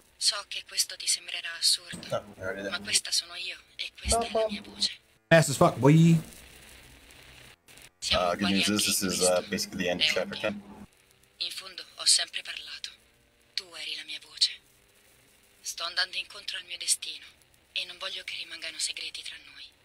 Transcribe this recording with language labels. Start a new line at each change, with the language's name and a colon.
Italian: So che questo ti sembrerà assurdo, ma questa sono io e questa è la mia voce.
English: Fast as fuck, boy. Good news is this is basically the end of chapter 10.
Italian: In fondo ho sempre parlato. Eri la mia voce. Sto andando incontro al mio destino e non voglio che rimangano segreti tra noi.